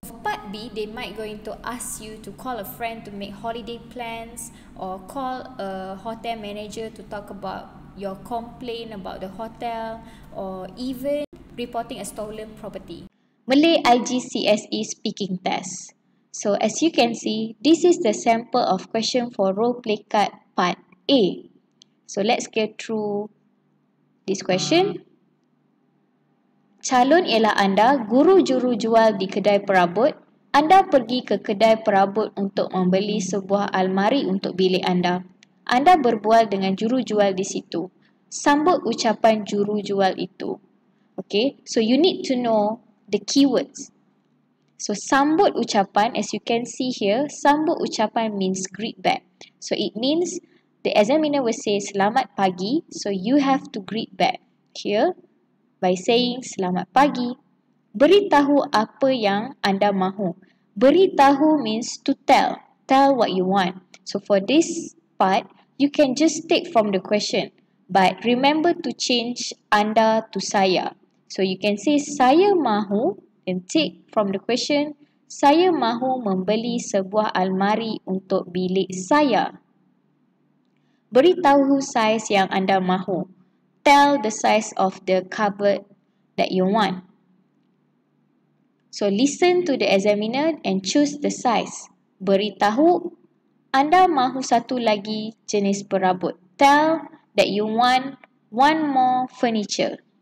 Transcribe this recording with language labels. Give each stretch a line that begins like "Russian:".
English: For part B, they might going to ask you to call a friend to make holiday plans or call a hotel manager to talk about your complaint about the hotel or even reporting a stolen property. Malay IGCSE speaking test. So as you can see, this is the sample of question for role play card part A. So let's get through this question.
Malay: Calon ialah anda, guru juru jual di kedai perabot. Anda pergi ke kedai perabot untuk membeli sebuah almari untuk bilik anda. Anda berbual dengan juru jual di situ. Sambut ucapan juru jual itu.
English: Okay, so you need to know the keywords. So sambut ucapan, as you can see here, sambut ucapan means greet back. So it means the examiner will say selamat pagi, so you have to greet back here by saying selamat pagi.
Malay: Beritahu apa yang anda mahu.
English: Beritahu means to tell. Tell what you want. So for this part, you can just take from the question. But remember to change anda to saya. So you can say saya mahu and take from the question.
Malay: Saya mahu membeli sebuah almari untuk bilik saya. Beritahu saiz yang anda mahu.
English: Tell the size of the cupboard that you want. So listen to the examiner and choose the size.
Malay: Beritahu anda mahu satu lagi jenis perabot.
English: Tell that you want one more furniture.